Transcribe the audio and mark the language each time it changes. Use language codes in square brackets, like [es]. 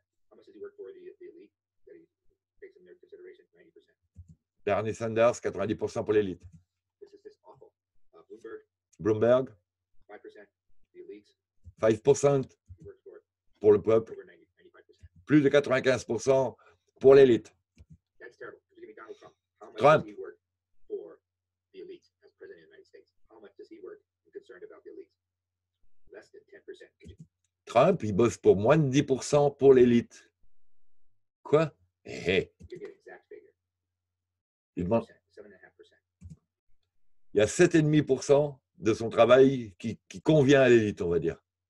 [en] How much does he work for the elite that he takes in their consideration, 90%? [fr] Bernie Sanders, 90% pour l'élite. [en] This is just awful. Bloomberg. Bloomberg. 5% the elites. [fr] 5% pour le peuple. Plus de 95% pour l'élite. [en] That's terrible. Trump. How much does he work for the elites as president of the United States? How much does he work and concerned about the elites? Less than 10%. [fr] Trump, il bosse pour moins de 10% pour l'élite. Quoi? Hey. Il demande. Il y a 7,5% de son travail qui convient à l'élite, on va dire.